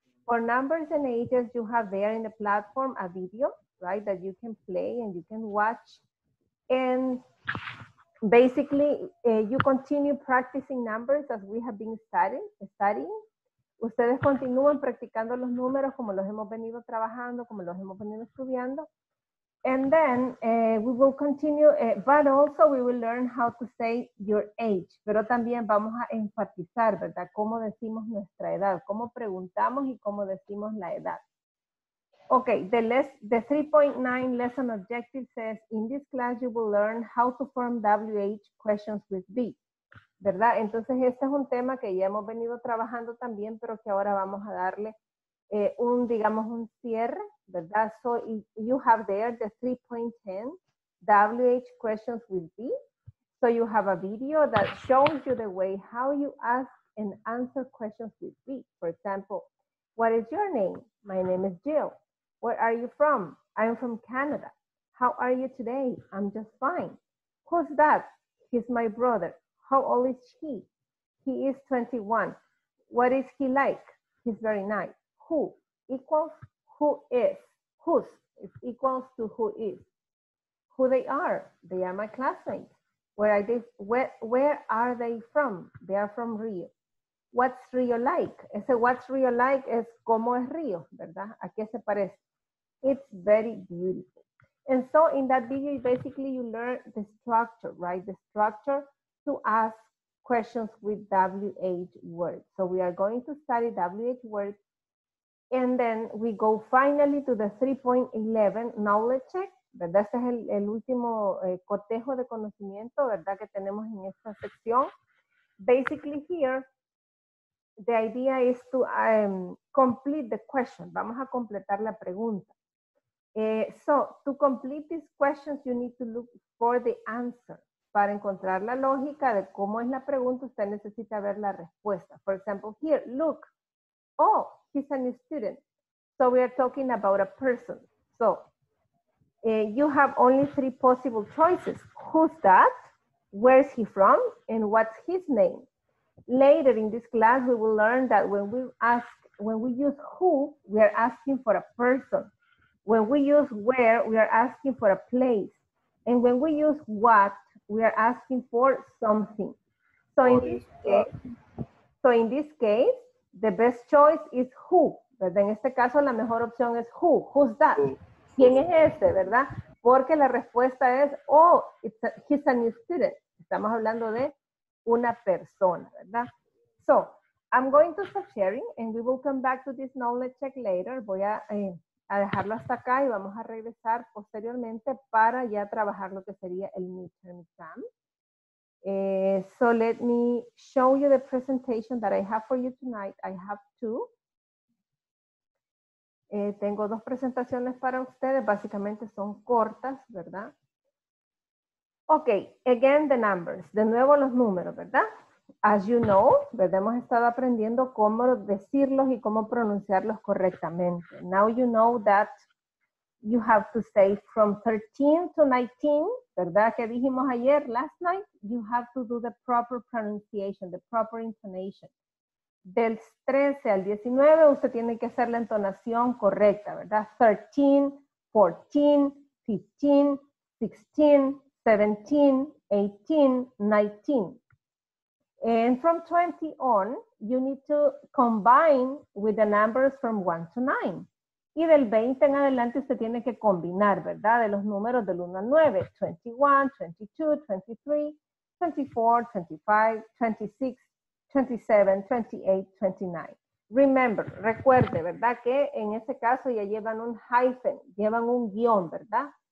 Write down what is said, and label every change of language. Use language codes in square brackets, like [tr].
[en] For numbers and ages, you have there in the platform a video, right, that you can play and you can watch. And basically, you continue practicing numbers as we have been studying. [es] Ustedes continúan practicando los números como los hemos venido trabajando, como los hemos venido estudiando. [en] And then we will continue, but also we will learn how to say your age. [es] Pero también vamos a enfatizar, ¿verdad? Cómo decimos nuestra edad, cómo preguntamos y cómo decimos la edad. [en] Okay, the 3.9 lesson objective says, in this class you will learn how to form WH questions with be, [es] ¿verdad? Entonces este es un tema que ya hemos venido trabajando también, pero que ahora vamos a darle un cierre, ¿verdad? [en] So you have there the 3.10 WH questions with be. So you have a video that shows you the way how you ask and answer questions with be. For example, what is your name? My name is Jill. Where are you from? I'm from Canada. How are you today? I'm just fine. Who's that? He's my brother. How old is he? He is 21. What is he like? He's very nice. Who equals who is. Whose is equals to who is. Who they are? They are my classmates. Where are they from? They are from Rio. What's Rio like? [es] Ese [en] what's Rio like [es] es como es Rio, ¿verdad? ¿A qué se parece? [en] It's very beautiful. And so in that video, basically you learn the structure, right? The structure to ask questions with WH words. So we are going to study WH words. And then we go finally to the 3.11 knowledge check. [es] ¿Verdad? Este es el último cotejo de conocimiento, ¿verdad? Que tenemos en esta sección. [en] Basically here, the idea is to complete the question. [es] Vamos a completar la pregunta. [en] So, to complete these questions, you need to look for the answer. [es] Para encontrar la lógica de cómo es la pregunta, usted necesita ver la respuesta. [en] For example, here, look. Oh, he's a new student. So, we are talking about a person. So, you have only three possible choices. Who's that? Where is he from? And what's his name? Later in this class, we will learn that when we use who, we are asking for a person. When we use where, we are asking for a place. And when we use what, we are asking for something. So in this case, the best choice is who. But in [es] este caso, la mejor opción es who. [en] Who's that? [es] ¿Quién es ese, verdad? Porque la respuesta es, [en] oh, he's a new student. [es] Estamos hablando de una persona, ¿verdad? [en] So, I'm going to stop sharing and we will come back to this knowledge check later. [es] Voy a dejarlo hasta acá y vamos a regresar posteriormente para ya trabajar lo que sería el midterm exam. [en] So, let me show you the presentation that I have for you tonight. I have two. [es] Tengo dos presentaciones para ustedes. Básicamente son cortas, ¿verdad? [en] Ok, again the numbers. [es] De nuevo los números, ¿verdad? [en] As you know, ¿verdad? [es] Hemos estado aprendiendo cómo decirlos y cómo pronunciarlos correctamente. [en] Now you know that you have to say from 13 to 19, [es] ¿verdad? Que dijimos ayer, [en] last night, you have to do the proper pronunciation, the proper intonation. [es] Del 13 al 19, usted tiene que hacer la entonación correcta, ¿verdad? 13, 14, 15, 16, 17, 18, 19. [en] And from 20 on, you need to combine with the numbers from 1 to 9. [es] Y del 20 en adelante, usted tiene que combinar, ¿verdad? De los números del 1 al 9, 21, 22, 23, 24, 25, 26, 27, 28, 29. Remember, recuerde, ¿verdad? Que en ese caso ya llevan un hyphen, llevan un guión, ¿verdad?